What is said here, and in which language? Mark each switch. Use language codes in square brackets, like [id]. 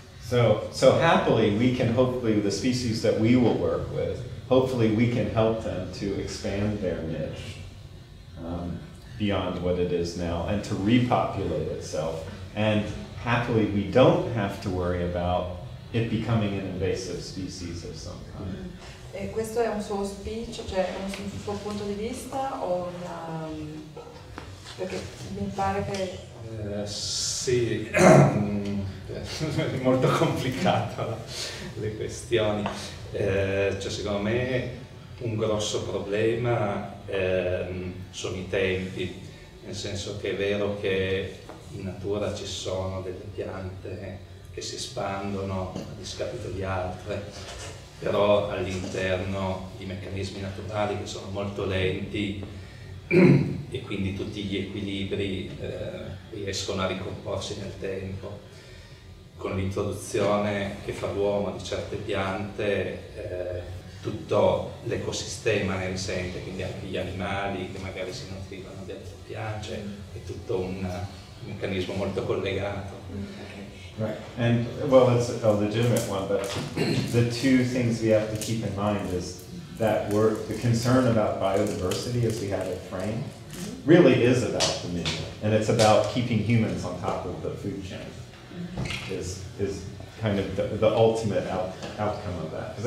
[en] So happily, we can hopefully, the species that we will work with, hopefully we can help them to expand their niche beyond what it is now and to repopulate itself. And happily, we don't have to worry about it becoming an invasive species of some kind. Mm-hmm. [it] E questo è un suo auspicio, cioè un suo punto di vista o una... perché mi pare che... Sì, è molto complicato le questioni. Cioè secondo me un grosso problema sono i tempi, nel senso che è vero che in natura ci sono delle piante che si espandono a discapito di altre, però all'interno di meccanismi naturali che sono molto lenti e quindi tutti gli equilibri riescono a ricomporsi nel tempo. Con l'introduzione che fa l'uomo di certe piante tutto l'ecosistema ne risente, quindi anche gli animali che magari si nutrivano di altre piante, è tutto un meccanismo molto collegato. [en] Right, and well, it's a legitimate one, but the two things we have to keep in mind is that we're, the concern about biodiversity as we have it framed really is about the media, and it's about keeping humans on top of the food chain, is kind of the ultimate outcome of that.